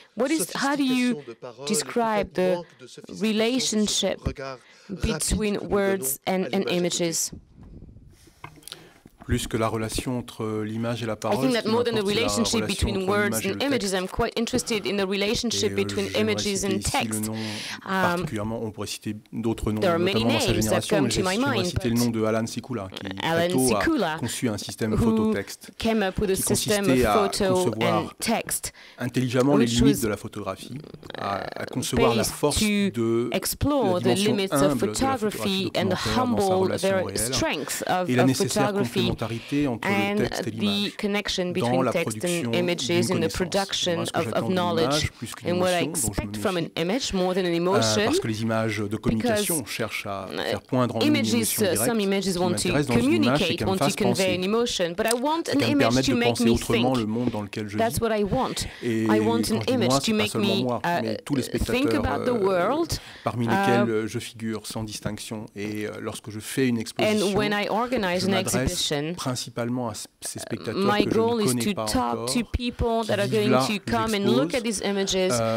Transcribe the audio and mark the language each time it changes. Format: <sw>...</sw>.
<en>What is, how do you describe the relationship between words and images?</en> <fr>Plus que la relation entre l'image et la parole,</fr> <en>I think that more than the relationship between words and images, I'm quite interested in the relationship between images and text.</en> <fr>Particulièrement, on pourrait citer d'autres noms,</fr> <en>there are many names that come to my mind.</en> <fr>Citer le nom de Alan Sikula, qui a conçu un système photo-texte,</fr> <en>came up with a system of photo and text,</en> <fr>intelligemment les limites de la photographie, à concevoir la force de</fr> <en>explore the limits of photography and humble their strengths of photography. And the connection between text and images in the production of knowledge, and what I expect from an image more than an emotion, because images, some images want to communicate, want to convey an emotion, but I want an image to make me think. That's what I want. I want an image to make me think about the world,</en> <fr>parmi lesquels je figure sans distinction. Et lorsque je fais une exposition,</fr> <en>and when I organize an exhibition,</en> <fr>principalement à ces spectateurs que je ne connais pas encore,</fr> <en>talk to people that are going to come and look at these images.</en>